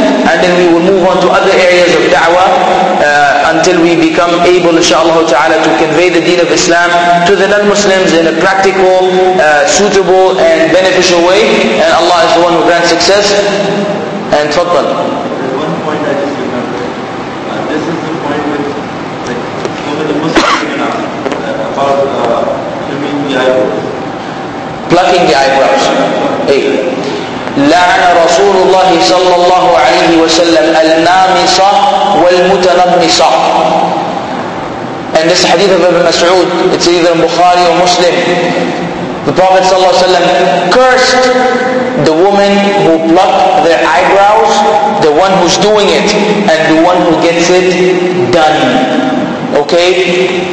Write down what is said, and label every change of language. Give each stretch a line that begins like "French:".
English: And then we will move on to other areas of da'wah until we become able, inshaAllah ta'ala, to convey the deen of Islam to the non-Muslims in a practical, suitable and beneficial way. And Allah is the one who grants success. And tafadhal. One point I just remembered. This is the point which, like, only the Muslims can ask about trimming the eyebrows. Plucking the eyebrows. Hey.
Arabic: لعن رسول الله صلى الله عليه وسلم النامصة والمتنمصة.
English: And this hadith of Ibn Mas'ud, it's either in Bukhari or Muslim. The Prophet
Arabic: صلى الله عليه وسلم
English: cursed the woman who plucked their eyebrows, the one who's doing it, and the one who gets it done. Okay?